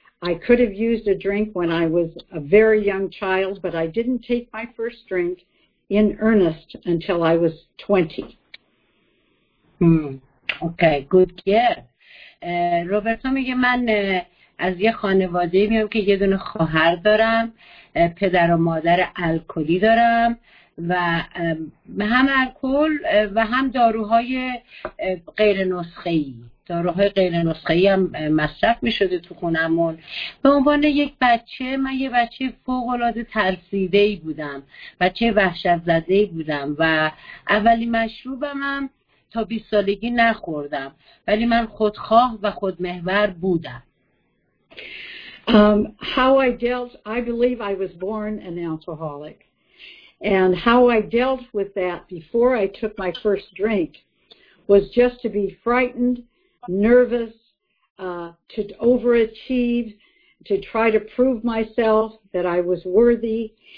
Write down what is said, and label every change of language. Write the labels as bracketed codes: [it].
[en] I could have used a drink when I was a very young child, but I didn't take my first drink in earnest until I was 20. Mm. Okay, good guess. [fa] روبرتا میگه من از یه خانواده میام که یه دونه خواهر دارم، پدر و مادر الکلی دارم و هم الکل و هم داروهای غیر نسخه‌ای، داروهای غیر نسخه‌ای هم مصرف میشده تو خونمون. به عنوان یک بچه، من یه بچه فوق‌العاده ترسیده‌ای بودم، بچه وحشت‌زده‌ای بودم و اولی مشروبم هم تا 20 سالگی نخوردم، ولی من خودخواه و خودمحور بودم. [en] How I dealt, I believe I was born an alcoholic. And how I dealt with that before I took my first drink was just to be frightened, nervous, to overachieve, to try to prove myself that I was worthy.